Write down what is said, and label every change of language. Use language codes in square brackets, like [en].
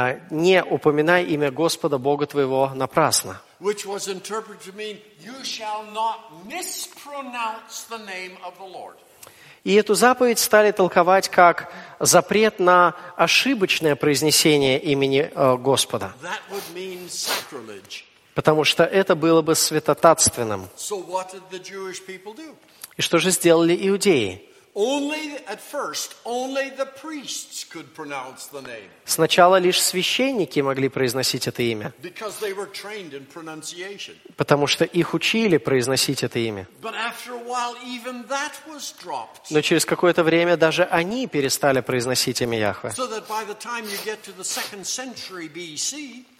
[ru] Не упоминай имя Господа Бога твоего напрасно. [en] Which was interpreted to mean you shall not mispronounce the name of the Lord. [ru] И эту заповедь стали толковать как запрет на ошибочное произнесение имени Господа. [en] That would mean sacrilege. [ru] Потому что это было бы святотатственным. [en] So what did the Jewish people do? [ru] И что же сделали иудеи? [en] Only at first, only the priests could pronounce the name. [ru] Сначала лишь священники могли произносить это имя. [en] Because they were trained in pronunciation. [ru] Потому что их учили произносить это имя. [en] But after a while, even that was dropped. [ru] Но через какое-то время даже они перестали произносить имя Яхве. [en] So that by the time you get to the second century BC.